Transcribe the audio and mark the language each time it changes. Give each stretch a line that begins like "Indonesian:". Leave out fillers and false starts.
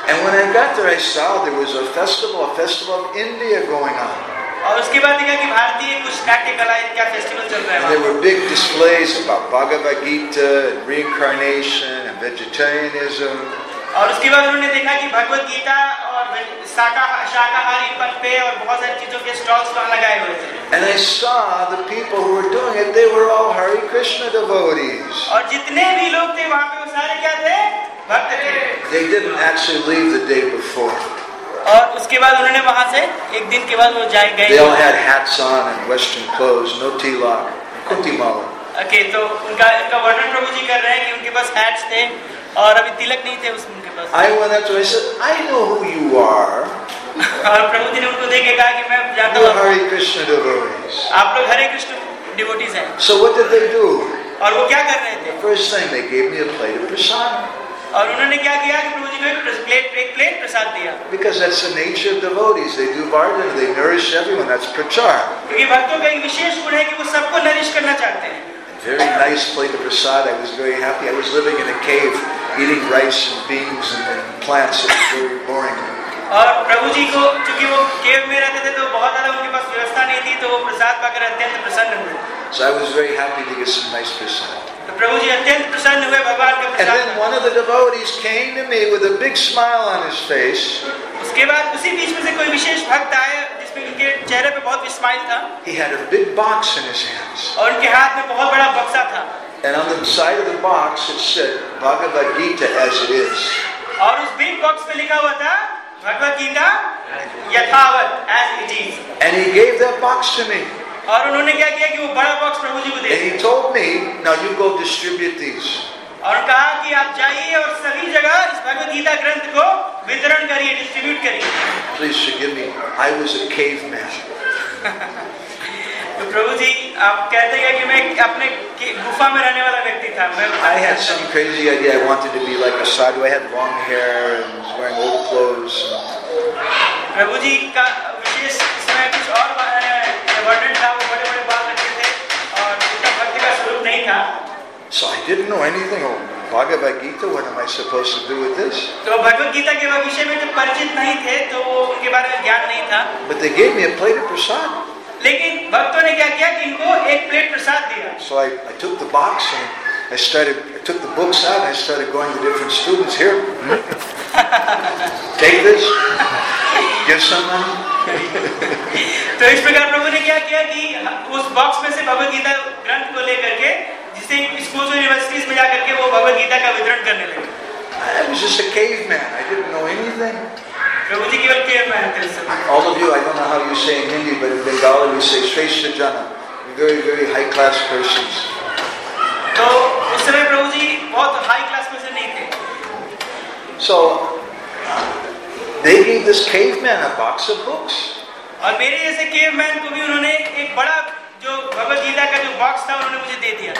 English: And when I got there, I saw there was a festival of India going on.
Hindi: और उसके बाद देखा कि भारतीय कुछ नाट्य कला इनका फेस्टिवल चल रहा है.
English: There were big displays about Bhagavad Gita, reincarnation, and vegetarianism.
Hindi: और उसके बाद उन्होंने देखा कि भगवत गीता और शाकाहारी पर पे और बहुत सारी चीजों के स्टॉल्स लगाए हुए थे.
English: And I saw the people who were doing it, they were all Hare Krishna devotees.
Hindi: और जितने भी लोग थे वहां पे वो सारे क्या थे? भक्त थे.
English: They didn't actually leave the day before.
Hindi: और उसके बाद उन्होंने वहां से एक दिन के बाद वो जाए गए.
English: They all had hats on and western clothes, no tilak, kunti mala.
Hindi: Okay, तो उनका वर्णन प्रभु जी कर रहे हैं कि उनके पास हैट्स थे और अभी तिलक नहीं थे उनके पास.
English: I went up to him, I said, I know who you are.
Hindi: और प्रभु जी ने उनको देख के कहा कि मैं जानता हूं हरे कृष्ण डिवोटीज. आप लोग हरे कृष्ण डिवोटीज हैं.
English: So what did they do?
Hindi: और वो क्या कर रहे थे?
English: First thing they gave me a plate of prasad.
Hindi: और उन्होंने क्या किया कि प्रभु जी को एक प्लेट प्रसाद दिया.
English: Because that's the nature of devotees. They do bhajan, they nourish everyone. That's prachar.
Hindi: क्योंकि भक्तों का एक विशेष गुण है कि वो सबको नरिश करना चाहते हैं.
English: Very nice plate of prasad. I was very happy. I was living in a cave, eating rice and beans and plants. It was very boring.
Hindi: और प्रभु जी को क्योंकि वो केव में रहते थे तो बहुत ज्यादा उनके पास व्यवस्था नहीं थी तो वो प्रसाद पाकर अत्यंत प्रसन्न हुए.
English: So I was very happy to get some nice prasad.
Hindi: प्रभु जी अत्यंत प्रसन्न हुए भगवान का प्रसाद.
English: And then one of the devotees came to me with a big smile on his face.
Hindi: उसके बाद उसी बीच में से कोई विशेष भक्त आए जिसमें उनके चेहरे पे बहुत स्माइल था.
English: He had a big box in his hands.
Hindi: और उनके हाथ में बहुत बड़ा बक्सा था.
English: And on the side of the box it said Bhagavad Gita as it is.
Hindi: और उस
English: big box
Hindi: पे लिखा हुआ था भगवद गीता यथावत
English: as it is. And he gave that box to me.
Hindi: और उन्होंने क्या किया कि वो बड़ा बॉक्स प्रभु जी को दे.
English: And he told me, now you go distribute these.
Hindi: और कहा कि आप जाइए और सभी जगह इस भगवद गीता ग्रंथ को वितरण करिए, डिस्ट्रीब्यूट करिए.
English: Please forgive me. I was a caveman.
Hindi: तो प्रभु जी आप कहते हैं कि मैं अपने गुफा में रहने वाला व्यक्ति था.
English: I had some crazy idea. I wanted to be like a sadhu. I had long hair and was wearing old clothes.
Hindi: प्रभु जी का विशेष समय कुछ और वर्णन था. वो बड़े बड़े बाल रखे थे और उनका भक्ति का स्वरूप नहीं था.
English: So I didn't know anything of Bhagavad Gita. What am I supposed to do with this?
Hindi: तो भगवत गीता के विषय में तो परिचित नहीं थे तो उनके बारे में ज्ञान नहीं था.
English: But they gave me a plate of prasad.
Hindi: लेकिन भक्तों ने क्या किया कि इनको एक प्लेट प्रसाद दिया.
English: So I took the box and I took the books out and I started going to different students here. Take this. Give someone.
Hindi: तो इस प्रकार प्रभु ने क्या किया कि उस बॉक्स में से भगवत गीता ग्रंथ को लेकर के जिसे स्कूल्स और यूनिवर्सिटीज में जाकर के वो भगवत गीता का वितरण करने लगे.
English: I was just a caveman. I didn't know anything.
Hindi: प्रभु जी केवल केवमैन थे.
English: All of you, I don't know how you say in Hindi, but in Bengali we say "Shreshtha Jana." Very, very high class persons.
Hindi: तो उस समय प्रभु जी बहुत
English: high class
Hindi: में से नहीं थे.
English: So they gave this caveman a box of books.
Hindi: और मेरे जैसे केवमैन को भी उन्होंने एक बड़ा जो भगवत गीता का जो बॉक्स था उन्होंने मुझे दे दिया.